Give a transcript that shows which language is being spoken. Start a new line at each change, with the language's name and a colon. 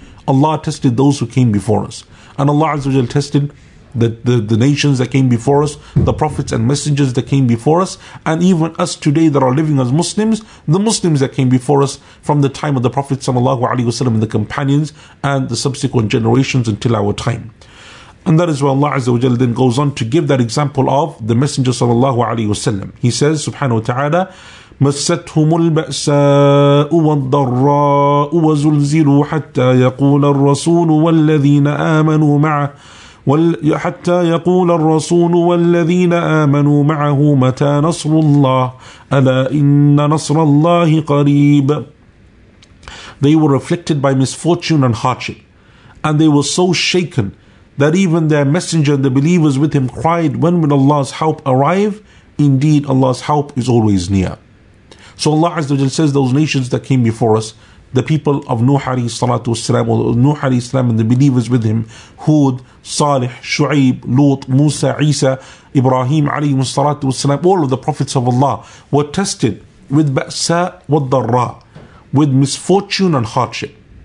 English: Allah tested those who came before us. And Allah Azza wa Jalla tested the nations that came before us, the prophets and messengers that came before us, and even us today that are living as Muslims, the Muslims that came before us from the time of the Prophet sallallahu alaihi wasallam and the companions and the subsequent generations until our time. And that is why Allah Azza wa Jalla then goes on to give that example of the Messenger sallallahu alaihi wasallam. He says, subhanahu wa ta'ala,
Arabic: مَسَّتْهُمُ الْبَأْسَاءُ وَالضَّرَّاءُ وَزُلْزِلُوا حَتَّى يَقُولَ الرَّسُولُ وَالَّذِينَ آمَنُوا مَعَهُ حتى يقول الرسول والذين آمنوا معه متى نصر الله ألا إن نصر الله قريب.
English: They were afflicted by misfortune and hardship, and they were so shaken that even their messenger and the believers with him cried, when will Allah's help arrive? Indeed, Allah's help is always near. So Allah Azza wa Jalla says, those nations that came before us, the people of Nuh alayhi salatu wasalam, or Nuh alayhi salam and the believers with him, Hud, Salih, Shu'ib, Lut, Musa, Isa, Ibrahim alayhi salatu wasalam, all of the prophets of Allah were tested with ba'sa wa dharra, with misfortune and hardship.